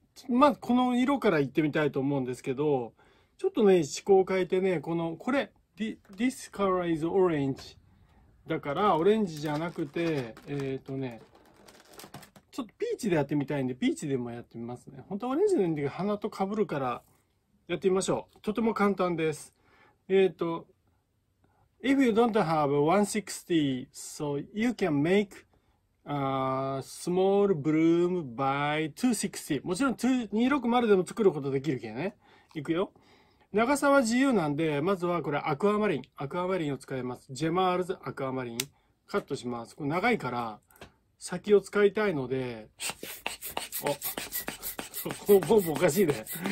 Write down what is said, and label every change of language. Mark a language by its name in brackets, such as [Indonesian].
[Japanese] まずこの色からいってみたいと思うんですけど、ちょっとね、思考を変えてね、 [English] This color is orange。 [Japanese] だから、オレンジじゃなくて、ちょっとピーチでやってみたいんで、ピーチでもやってみますね。本当はオレンジの鼻と被るから、やってみましょう。とても簡単です。 [English] If you don't have 160, so you can make a small bloom by 260. [Japanese] もちろん260でも作ることできるけどね。いくよ。長さは自由なんで、まずはこれアクアマリン。アクアマリンを使います。ジェマールズアクアマリン。カットします。これ長いから先を使いたいので、このポンプおかしいね。